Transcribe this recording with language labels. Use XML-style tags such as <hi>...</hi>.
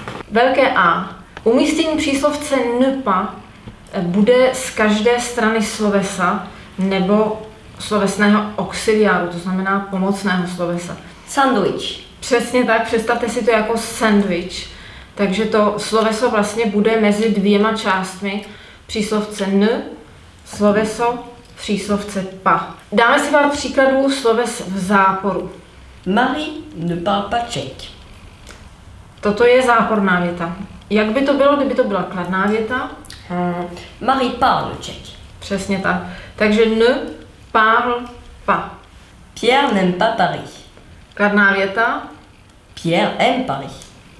<cs>Velké A. Umístění příslovce ne pas bude z každé strany slovesa nebo slovesného auxiliáru, to znamená pomocného slovesa. Sandwich. Přesně tak, představte si to jako sandwich. Takže to sloveso vlastně bude mezi dvěma částmi. Příslovce n, sloveso, příslovce pa. Dáme si pár příkladů sloves v záporu.</cs> <fr>Marie ne parle pas tchèque.</fr> <cs>Toto je záporná věta. Jak by to bylo, kdyby to byla kladná věta?</cs> <fr>Marie parle tchèque.</fr> <cs>Přesně tak. Takže n,</cs> <fr>parle pas. Pierre n'aime pas Paris.</fr> <cs>Kladná věta.</cs> <fr>Pierre aime Paris.</fr>